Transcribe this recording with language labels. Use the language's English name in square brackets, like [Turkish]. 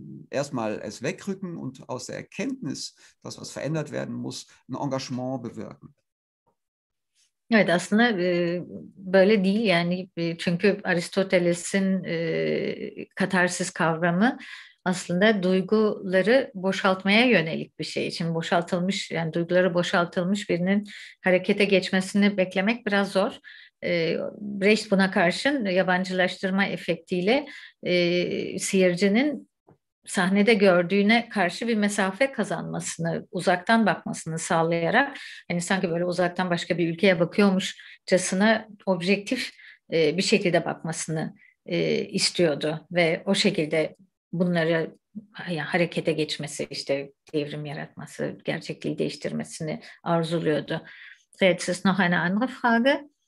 [German] erstmal es wegrücken und aus der Erkenntnis, dass was verändert werden muss, ein Engagement bewirken. [Turkish] Evet, aslında böyle değil yani, çünkü Aristoteles'in katarsis kavramı aslında duyguları boşaltmaya yönelik bir şey. Şimdi boşaltılmış, yani duyguları boşaltılmış birinin harekete geçmesini beklemek biraz zor. Brecht buna karşın yabancılaştırma efektiyle seyircinin sahnede gördüğüne karşı bir mesafe kazanmasını, uzaktan bakmasını sağlayarak, hani sanki böyle uzaktan başka bir ülkeye bakıyormuşçasına objektif bir şekilde bakmasını istiyordu ve o şekilde bunları harekete geçmesi, işte devrim yaratması, gerçekliği değiştirmesini arzuluyordu. [German] Jetzt ist noch eine andere Frage.